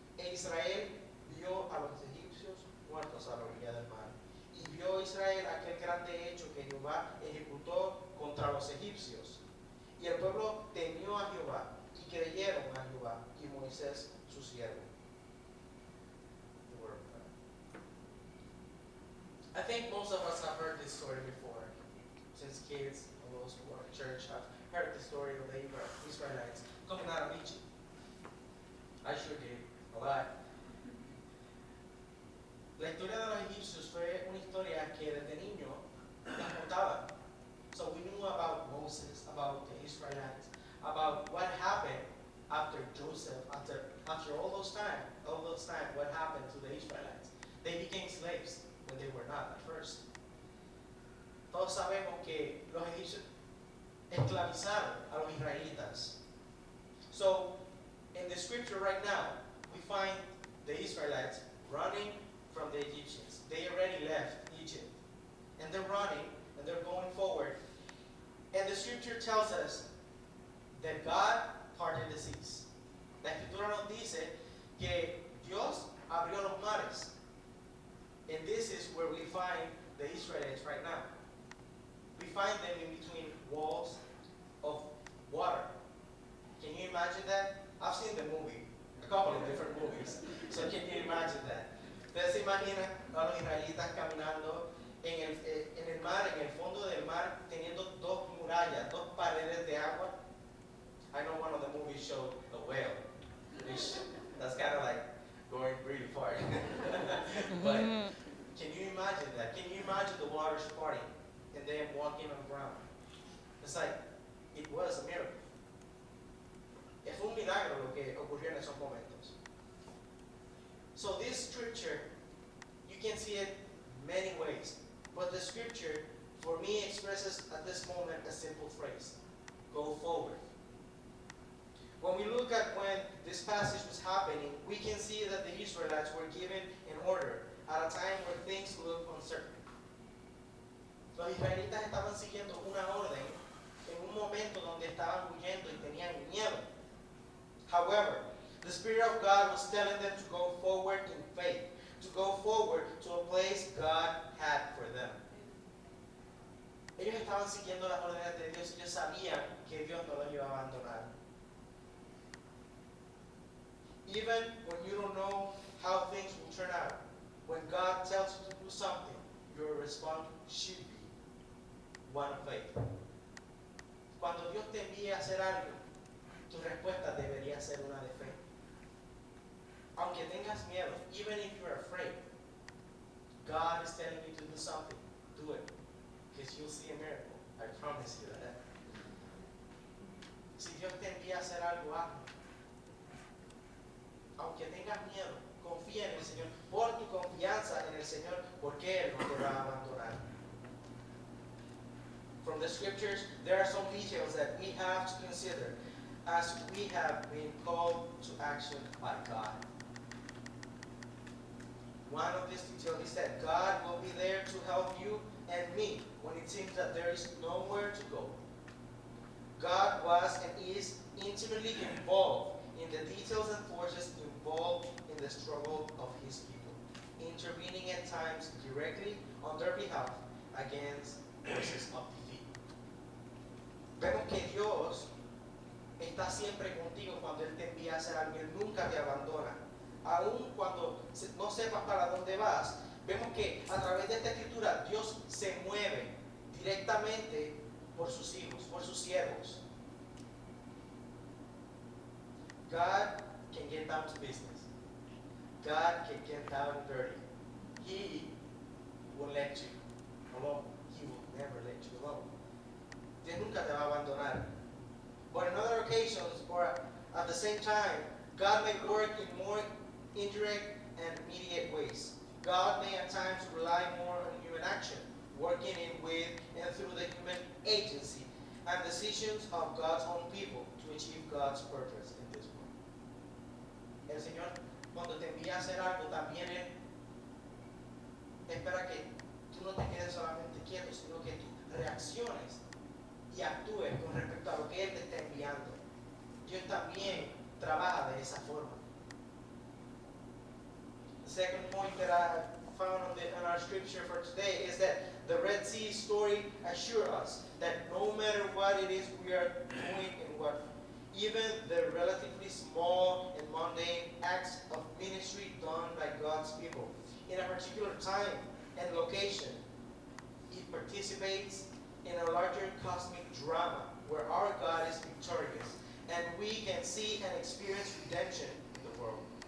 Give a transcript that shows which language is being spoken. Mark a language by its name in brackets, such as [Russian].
[Spanish] E Israel vio a los egipcios muertos a la orilla del mar. Y vio Israel aquel grande hecho que Jehová ejecutó contra los egipcios. Y el pueblo temió a Jehová y creyeron a Jehová y Moisés su siervo. [English] I think most of us have heard this story before. Since kids, those who are in church have heard the story of the Israelites coming out of Egypt. I sure did, a lot. [Spanish] La historia de los egipcios fue una historia que desde niño nos contaban. [English] So we knew about Moses, about the Israelites, about what happened after Joseph, after all those time, what happened to the Israelites. They became slaves. But they were not at first. [Spanish] Todos sabemos que los egipcios esclavizaron a los israelitas. [English] So, in the scripture right now, we find the Israelites running from the Egyptians. They already left Egypt. And they're running, and they're going forward. And the scripture tells us that God parted the seas. [Spanish] La escritura nos dice que Dios abrió los mares. [English] And this is where we find the Israelites right now. We find them in between walls of water. Can you imagine that? I've seen the movie, a couple of different movies. So can you imagine that? [Spanish] ¿Ustedes se imaginan a los israelitas caminando en el mar, en el fondo del mar, teniendo dos murallas, dos paredes de agua? [English] I know one of the movies showed a whale, which that's kind of like going really far. But can you imagine that? Can you imagine the waters parting and then walking on the ground? It's like, it was a miracle. [Spanish] Es un milagro lo que ocurrió en esos momentos. [English] So this scripture, you can see it many ways. But the scripture, for me, expresses at this moment a simple phrase. Go forward. When we look at when this passage was happening, we can see that the Israelites were given an order at a time where things look uncertain. [Spanish] Los israelitas estaban siguiendo una orden en un momento donde estaban huyendo y tenían miedo. [English] However, the Spirit of God was telling them to go forward in faith, to go forward to a place God had for them. [Spanish] Ellos estaban siguiendo las órdenes de Dios y ellos sabían que Dios no los iba a abandonar. [English] Even when you don't know how things will turn out, when God tells you to do something, your response should be one of faith. [Spanish] Cuando Dios te envía a hacer algo, tu respuesta debería ser una de fe. Aunque tengas miedo, [English] even if you're afraid, God is telling you to do something, do it. Because you'll see a miracle. I promise you that. [Spanish] Si Dios te envía a hacer algo, hazlo. Aunque tengas miedo, confía en el Señor. Pon tu confianza en el Señor, porque Él no te va a abandonar. [English] From the scriptures, there are some details that we have to consider as we have been called to action by God. One of these details is that God will be there to help you and me when it seems that there is nowhere to go. God was and is intimately involved in the details and forces involved in the struggle of his people, intervening at times directly on their behalf against forces of defeat. [Spanish] Vemos que Dios está siempre contigo cuando Él te envía a hacer algo. Él nunca te abandona. Aún cuando no sepas para dónde vas, vemos que a través de esta escritura Dios se mueve directamente por sus hijos, por sus siervos. [English] God can get down to business. God can get down dirty. He will let you alone. He will never let you alone. [Spanish] Dios nunca te va a abandonar. [English] But in other occasions, or at the same time, God may work in more indirect and immediate ways. God may at times rely more on human action, working in with and through the human agency and decisions of God's own people to achieve God's purpose in this world. [Spanish] El Señor, cuando te envía a hacer algo, también Él espera que tú no te quedes solamente quieto, sino que tú reacciones y actúes con respecto a lo que Él te está enviando. Dios también trabaja de esa forma. [English] The second point that I found on our scripture for today is that the Red Sea story assures us that no matter what it is we are doing and what, even the relatively small and mundane acts of ministry done by God's people in a particular time and location, it participates in a larger cosmic drama where our God is victorious and we can see and experience redemption in the world.